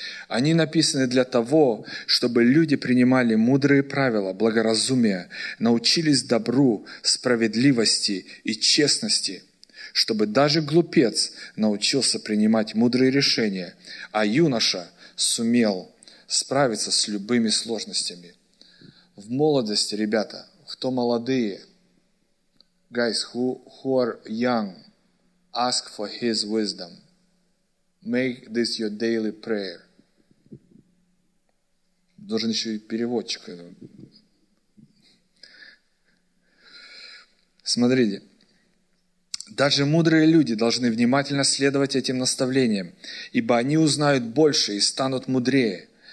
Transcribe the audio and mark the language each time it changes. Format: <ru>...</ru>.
<ru>Они написаны для того, чтобы люди принимали мудрые правила, благоразумия, научились добру, справедливости и честности, чтобы даже глупец научился принимать мудрые решения, а юноша сумел справиться с любыми сложностями. В молодости, ребята, кто молодые?</ru> <en>Guys, who are young, ask for his wisdom. Make this your daily prayer.</en> <ru>Должен еще и переводчик. Смотрите. Даже мудрые люди должны внимательно следовать этим наставлениям, ибо они узнают больше и станут мудрее.</ru>